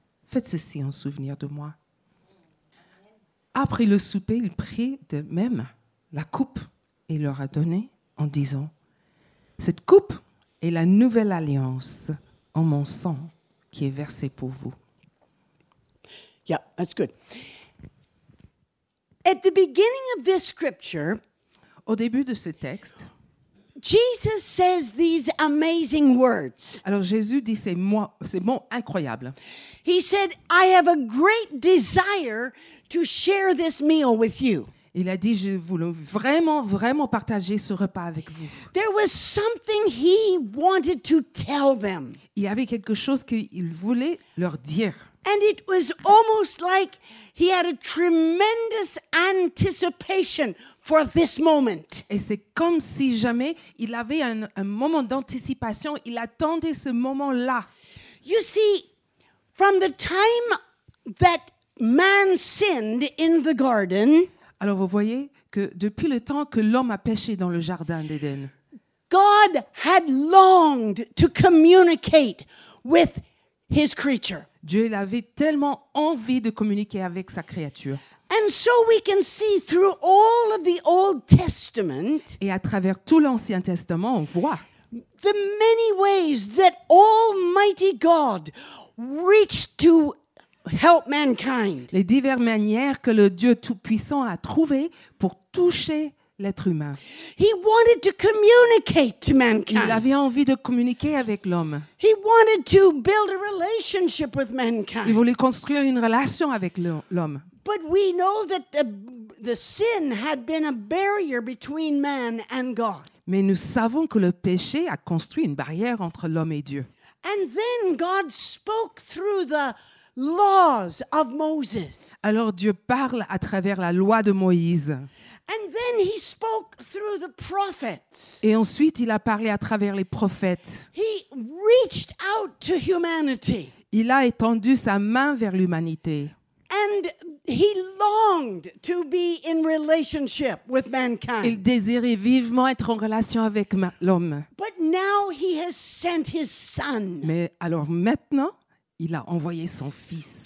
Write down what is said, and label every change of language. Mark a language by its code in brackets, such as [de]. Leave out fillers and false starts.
[fr] Faites ceci en souvenir de moi. » Après le souper, il prit de même la coupe et leur a donné en disant, « Cette coupe est la nouvelle alliance en mon sang qui est versée pour vous. » [en] Yeah, that's good. At the beginning of this scripture, [fr] au début de ce texte, [en] Jesus says these amazing words. [fr] Alors Jésus dit ces mots incroyables. [en] He said, I have a great desire to share this meal with you. [fr] Il a dit, je voulais vraiment, vraiment partager ce repas avec vous. [en] There was something he wanted to tell them. [fr] Il y avait quelque chose qu'il voulait leur dire. [en] And it was almost like he had a tremendous anticipation for this moment. [fr] Et c'est comme si jamais il avait un moment d'anticipation, il attendait ce moment-là. [en] You see, from the time that man sinned in the garden, [fr] alors vous voyez que depuis le temps que l'homme a péché dans le jardin d'Éden, [en] God had longed to communicate with his creature. [fr] Dieu avait tellement envie de communiquer avec sa créature. [en] And so we can see through all of the Old Testament, [fr] et à travers tout l'Ancien Testament, on voit [en] the many ways that Almighty God reached to help mankind. [fr] Les diverses manières que le Dieu Tout-Puissant a trouvé pour toucher l'être humain. [en] He wanted to communicate to mankind. [fr] Il avait envie de communiquer avec l'homme. [en] He wanted to build a relationship with mankind. [fr] Il voulait construire une relation avec l'homme. [en] But we know that the sin had been a barrier between man and God. [fr] Mais nous savons que le péché a construit une barrière entre l'homme et Dieu. [en] And then God spoke through the laws of Moses. [fr] Alors Dieu parle à travers la loi de Moïse. [en] And then he spoke through the prophets. [fr] Et ensuite il a parlé à travers les prophètes. [en] He reached out to humanity. [fr] Il a étendu sa main vers l'humanité. [en] And he longed to be in relationship with mankind. [fr] Il désirait vivement être en relation avec l'homme. [en] But now he has sent his son. [fr] Mais alors maintenant, il a envoyé son fils.